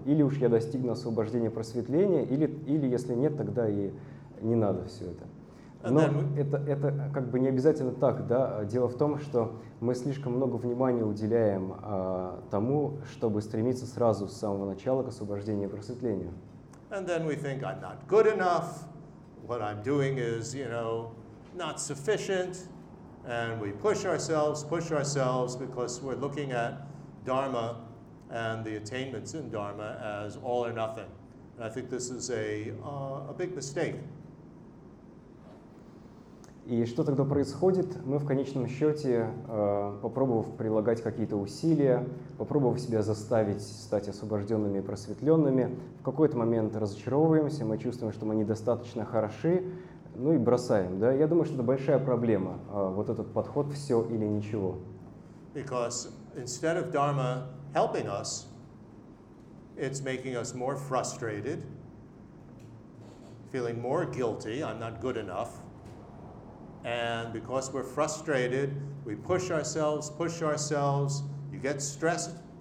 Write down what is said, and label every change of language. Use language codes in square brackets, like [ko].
[ru] Или уж я достигну освобождения просветления, или если нет, тогда и не надо все это. Но это как бы не обязательно так, да. Дело в том, что мы слишком много внимания уделяем тому, чтобы стремиться сразу с самого начала к освобождению, к просветлению. [en] And then we think I'm not good enough. What I'm doing is, you know, not sufficient. And we push ourselves, because we're looking at Dharma and the attainments in Dharma as all or nothing. And I think this is a big mistake. [ru] И что тогда происходит? Мы в конечном счете, попробовав прилагать какие-то усилия, попробовав себя заставить стать освобожденными и просветленными, в какой-то момент разочаровываемся, мы чувствуем, что мы недостаточно хороши, ну и бросаем. Да? Я думаю, что это большая проблема, вот этот подход «все или ничего». [en] Because instead of Dharma helping us, it's making us more frustrated, feeling more guilty, I'm not good enough. And because we're frustrated, we push ourselves, you get stressed.